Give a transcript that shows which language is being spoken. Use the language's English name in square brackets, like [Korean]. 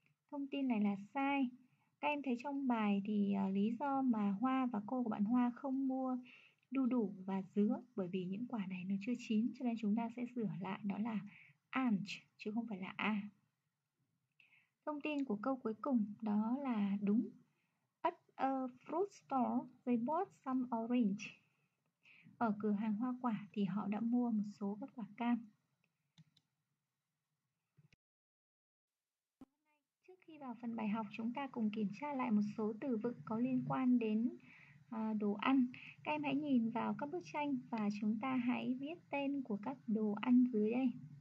[Vietnamese] Thông tin này là sai. Các em thấy trong bài thì lý do mà Hoa và cô của bạn Hoa không mua đu đủ và dứa bởi vì những quả này nó chưa chín cho nên chúng ta sẽ sửa lại đó là aren't chứ không phải là a. Thông tin của câu cuối cùng đó là đúng. [English] At a fruit store, they bought some orange. [Vietnamese] Ở cửa hàng hoa quả thì họ đã mua một số các quả cam. Trước khi vào phần bài học, chúng ta cùng kiểm tra lại một số từ vựng có liên quan đến đồ ăn. Các em hãy nhìn vào các bức tranh và chúng ta hãy viết tên của các đồ ăn dưới đây.